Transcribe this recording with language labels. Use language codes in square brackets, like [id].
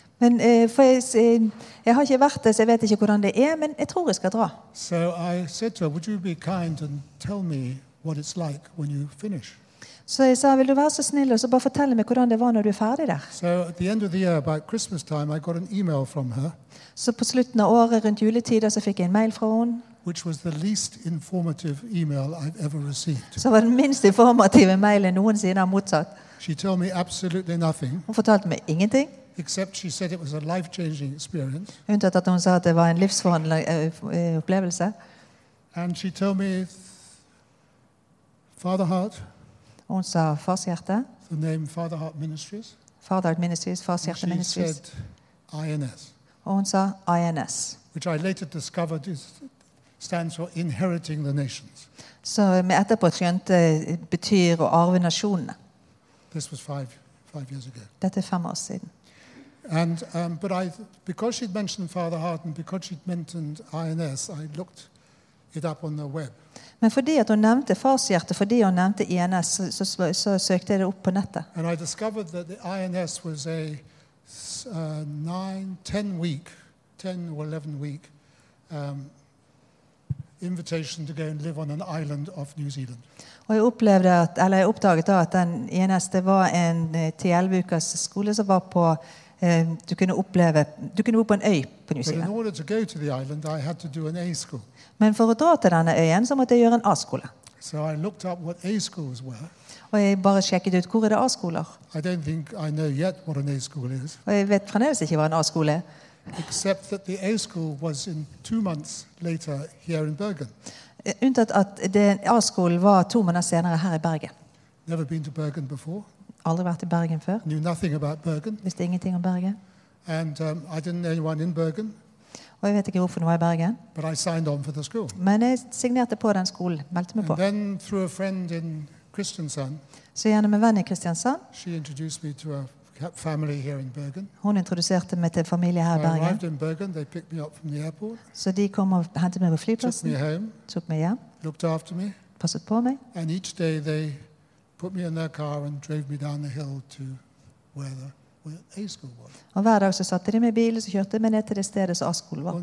[no] Men jeg har ikke vært der, så jeg vet ikke hvordan det er, men jeg tror jeg skal dra. [en] So I said to her, would you be kind and tell me what it's like when you finish? [no] Så jeg sa, vil du være så snill og så bare fortelle meg hvordan det var når du ferdig der? [en] So at the end of the year, about Christmas time, I got an email from her. [no] Så på slutten av året, rundt juletider, så fikk jeg en mail fra hun. [en] Which was the least informative email I've ever received. [no] Så var den minst informative mailen noensinne har mottatt. [en] She told me absolutely nothing. [no] Hun fortalte meg ingenting. [en] Except she said it was a life-changing experience. [no] Unntatt at hun sa at det var en livsforandrende opplevelse. [en] And she told me, Father Heart, [no] hun sa Farshjerte. [en] The name Father Heart Ministries. [no] Father Heart Ministries, Farshjerte Ministries. [en] And she said INS. [no] Og hun sa INS. [en] Which I later discovered stands for Inheriting the Nations. [no] Så vi etterpå skjønte betyr å arve nasjonene. [en] This was five years ago. [no] Dette er 5 år siden. [en] And but I, because she'd mentioned Father Heart and because she'd mentioned INS, I looked it up on the web. [no] Men fordi at hun nevnte Farshjerte, fordi hun nevnte INS, så søkte jeg det opp på nettet. [en] And I discovered that the INS was a 10 or 11 week invitation to go and live on an island off New Zealand. [no] Og jeg opplevde at, eller jeg oppdaget da, at den INS, det var en 10-11 ukers skole som var på, du kunne bo på en øy på New Zealand. [en] But in order to go to the island, I had to do an A-school. [no] Men for å dra til denne øyen, så måtte jeg gjøre en A-skole. [en] So I looked up what A-schools were. [no] Og jeg bare sjekket ut, hvor er det A-skoler? [en] I don't think I know yet what an A-school is. [no] Og jeg vet fremdeles ikke hva en A-skole er. [en] Except that the A-school was in 2 months later here in Bergen. [no] Unntatt at det A-skolen var 2 måneder senere her I Bergen. [en] Never been to Bergen before. [no] Aldri vært I Bergen før. [en] Knew nothing about Bergen. [no] Visste ingenting om Bergen. [en] And I didn't know anyone in Bergen. [no] Og jeg vet ikke hvorfor var I Bergen. [en] But I signed on for the school. [no] Men jeg signerte på den skolen, meldte meg på. [en] And then through a friend in Kristiansand. [no] Så gjennom en venn I Kristiansand. [en] She introduced me to a family here in Bergen. [no] Hun introduserte meg til en familie her I Bergen. [en] I arrived in Bergen, they picked me up from the airport. [no] Så de kom og hentet meg på flyplassen. [en] Took me home. [no] Tok meg hjem. [en] Looked after me. [no] Passet på meg. [en] And each day they put me in their car and drove me down the hill to where the [no] Og hver dag så satte de meg I bilen, så kjørte de meg ned til det stedet som A-skolen var på.